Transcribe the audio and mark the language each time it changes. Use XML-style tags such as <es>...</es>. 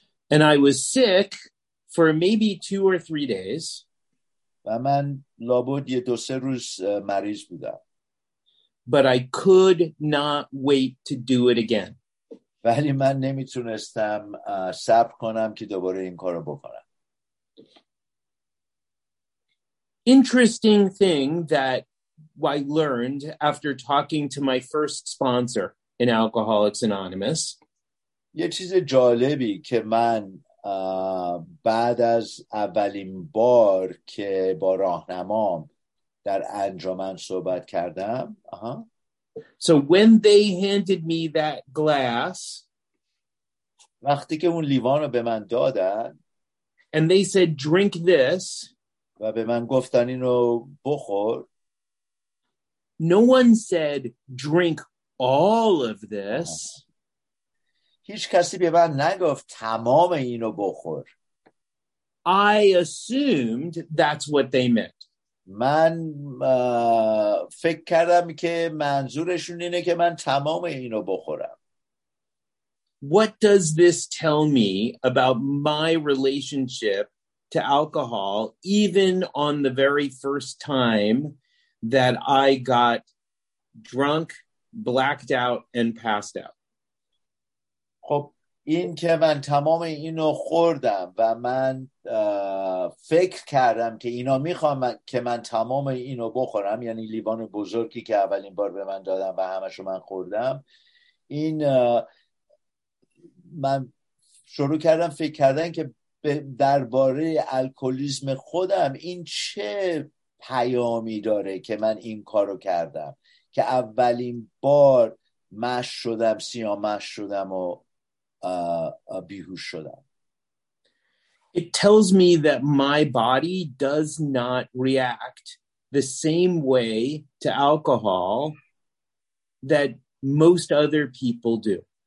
<en>And I was sick for maybe 2 or 3 days.</en> <fa>و من لابد یه دو سه روز مریض بودم.</fa> <en>But I could not wait to do it again.</en> <fa>ولی من نمیتونستم صبر کنم که دوباره این کارو بکنم.</fa> <en>Interesting thing that I learned after talking to my first sponsor in Alcoholics Anonymous.</en> <fa>یه چیز جالبی که من بعد از اولین بار که با راهنمام در انجمن صحبت کردم.</fa> <en>So when they handed me that glass,</en> <fa>وقتی که اون لیوانو به من دادن,</fa> <en>and they said drink this,</en> <fa>و به من گفتن اینو بخور,</fa> <en>no one said drink all of this.</en> <fa>هیچ کسی به من نگفت تمام اینو بخور.</fa> <en>I assumed that's what they meant.</en> <fa>من فکر کردم که منظورشون اینه که من تمام اینو بخورم.</fa> <en>What does this tell me about my relationship to alcohol even on the very first time that I got drunk, blacked out and passed out?</en> <fa>خب این که من تمام اینو خوردم و من فکر کردم که اینا میخوام که من تمام اینو بخورم, یعنی لیوان بزرگی که اولین بار به من دادم و همشو من خوردم, این من شروع کردم فکر کردن که درباره الکلیسم خودم این چه پیامی داره که من این کارو کردم که اولین بار مست شدم, سیاه‌مغز شدم و بیهوش شدم.</fa> <en>It tells me that my body does not react the same way to alcohol that most other people do.</en>